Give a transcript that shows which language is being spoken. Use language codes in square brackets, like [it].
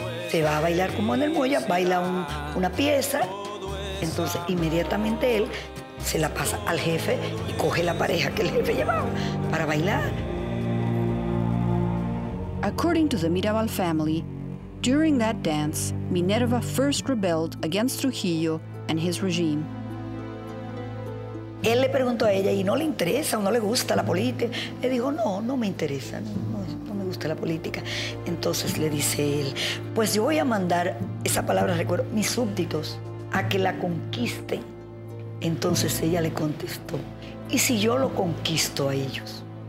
[es] Se va a bailar como en el Moya, baila una pieza. Entonces inmediatamente él se la pasa al jefe y coge la pareja que el jefe llevaba para bailar. [en] According to the Mirabal family, during that dance, Minerva first rebelled against Trujillo and his regime. [es] Él le preguntó a ella, ¿y no le interesa o no le gusta la política? Le dijo, no me interesa, no me gusta la política. Entonces le dice él, pues yo voy a mandar, esa palabra recuerdo, mis súbditos a que la conquisten. Entonces ella le contestó, ¿y si yo lo conquisto a ellos?